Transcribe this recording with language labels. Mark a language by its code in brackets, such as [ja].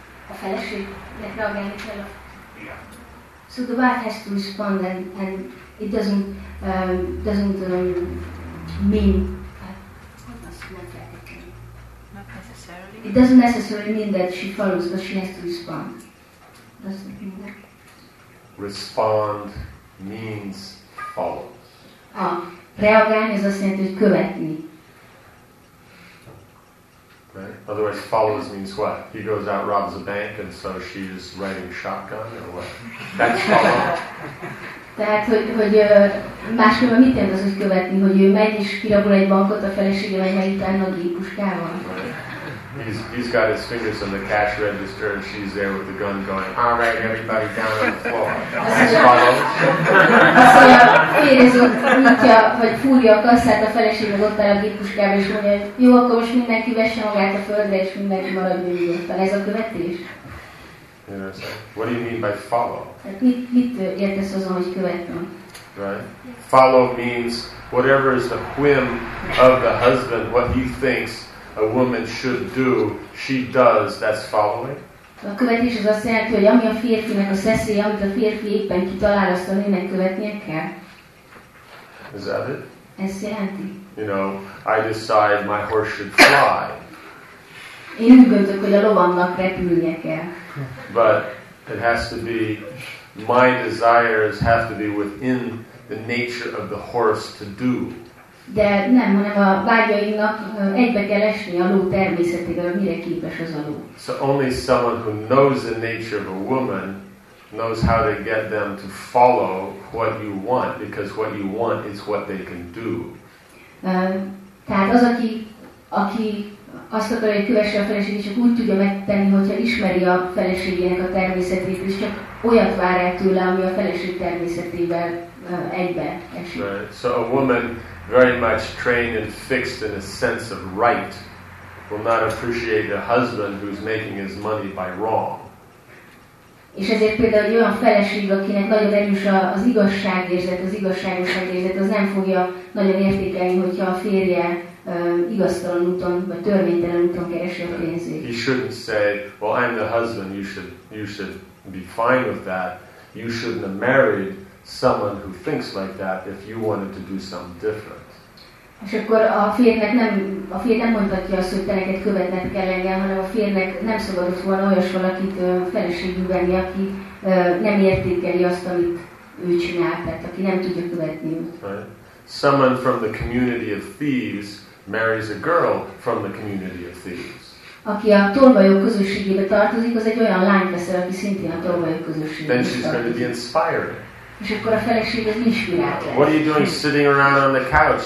[hu] A feleségnek reagálni kell a... Igen. [en] So the wife has to respond and it doesn't necessarily mean that she follows, but she has to respond. Doesn't mean that. Respond means follow. [hu] Reagálni az azt jelenti, hogy követni. [en] Right. Otherwise, follows means what? He goes out, robs a bank, and so she's riding shotgun, or what? That's follow. [hu] Tehát, hogy máskülön mit jelent az, hogy követni, hogy ő megy és kirabol egy bankot a felesége, vagy megy utána a gépuskával? [en] He's got his fingers on the cash register, and she's there with the gun going, all right, everybody down on the floor. That's follow. [hu] Azt mondja, férjező nyitja, vagy fúrja a kasszát a felesége, ott áll a gépuskával, és mondja, jó, akkor most mindenki vesse magát a földre, és mindenki maradjon nyugodtan. Ez a követés? [en] What do you mean by follow? [hu] Mit értesz azon, hogy követnem? [en] Right. Follow means whatever is the whim of the husband, what he thinks a woman should do, she does. That's following. [hu] A követés az azt jelenti, hogy ami a férfinek a szeszély, amit a férfi éppen kitalál, azt a nőnek követnie kell. [en] Is that it? [hu] Ez jelenti. [en] You know, I decide my horse should fly. [hu] Én úgy gondolok, hogy a lovamnak repülnie kell. [en] But it has to be, my desires have to be within the nature of the horse to do. [hu] De nem, hanem a vágyainak egybe kell esni a ló természetével, mire képes az a ló. [en] So only someone who knows the nature of a woman knows how to get them to follow what you want, because what you want is what they can do. [hu] Tehát az, aki aki azt akarja, hogy kövesse a feleségét, csak úgy tudja megtenni, hogyha ismeri a feleségének a természetét, és csak olyat vár el tőle, ami a feleség természetével egybe esik. [en] Right. So a woman very much trained and fixed in a sense of right will not appreciate a husband who's making his money by wrong. [hu] És ezért például egy olyan feleség, akinek nagyon erős az igazságérzet, az igazságosságérzet, az nem fogja nagyon értékelni, hogyha a férje igaztalan úton, vagy törvénytelen úton keresi a pénzét. [en] He shouldn't say, well, I'm the husband, you should be fine with that. You shouldn't have married someone who thinks like that if you wanted to do something different. [hu] És akkor a férjnek nem mondhatja azt, hogy te neked követned kell engem, hanem a férjnek nem szabadott volna olyas valakit feleségül venni, aki nem értékeli azt, amit ő csinál, tehát aki nem tudja követni őt. [en] Someone from the community of thieves marries a girl from the community of thieves. [hu] Aki a tolvajok közösségébe tartozik, az egy olyan lány veszel, aki szintén a tolvajok közösségébe tartozik. [en] Then she's going to be inspiring. [hu] És akkor a feleség az inspirált. [en] What are you doing sitting around on the couch?